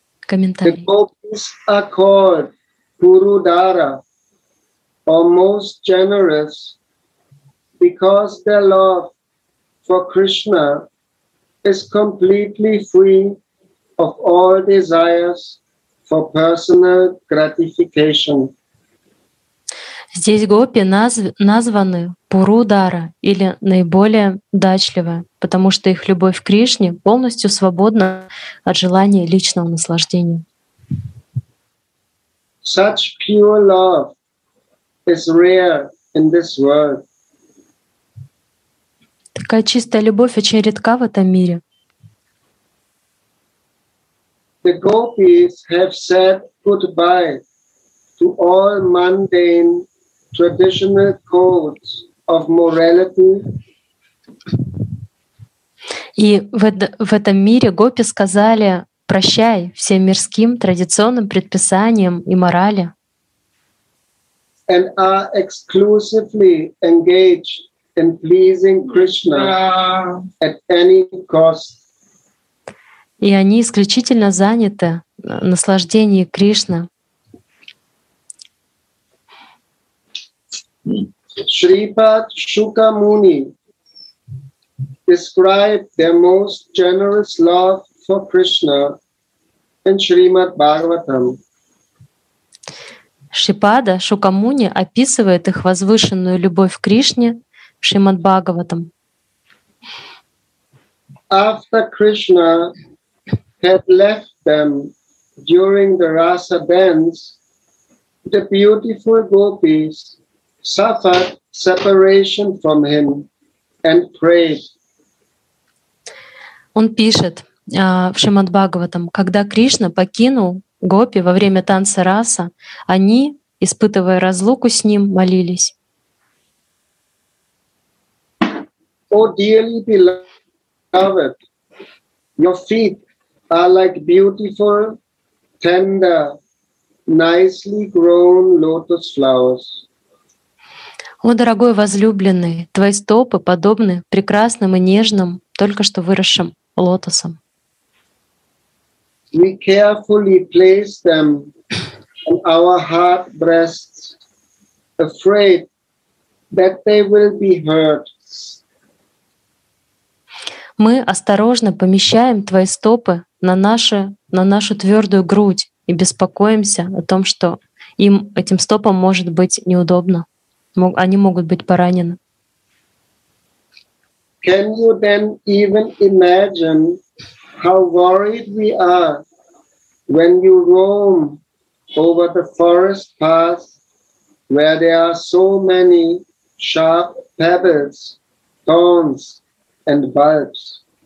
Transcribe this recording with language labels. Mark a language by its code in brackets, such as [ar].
[en] The gopis accord Guru Dara are most generous because their love for Krishna is completely free of all desires for personal gratification. [ru] Здесь гопи названы Пурудара или наиболее удачливы, потому что их любовь к Кришне полностью свободна от желания личного наслаждения. [en] Such pure love is rare in this world. [ru] Такая чистая любовь очень редка в этом мире. [en] The gopis have said goodbye to all mundane traditional codes of morality. [ru] И в этом мире гопи сказали прощай всем мирским традиционным предписаниям и морали. [en] And are exclusively engaged in pleasing Krishna at any cost. [ru] И они исключительно заняты наслаждением Кришны. [en] Шрипад Шука Муни described their most generous love for Krishna in Шримад Бхагаватам. [ru] Шрипада Шука Муни описывает их возвышенную любовь к Кришне в Шримад Бхагаватам. [en] After Krishna had left them during the Rasa dance, the beautiful gopis suffered separation from him and prayed. [ru] Он пишет в Шримад Бхагаватам, когда Кришна покинул гопи во время танца раса, они, испытывая разлуку с ним, молились. [en] O dearly beloved, your feet are like beautiful, tender, nicely grown lotus flowers. [ru] О, дорогой возлюбленный, твои стопы подобны прекрасным и нежным, только что выросшим лотосам. [en] We carefully place them on our heart breasts, afraid that they will be hurt. [ru] Мы осторожно помещаем твои стопы на нашу твердую грудь и беспокоимся о том, что им этим стопам может быть неудобно. Они могут быть поранены. [en] Can you then even imagine how worried we are when you roam over the forest path where there are so many sharp pebbles, thorns and bulbs?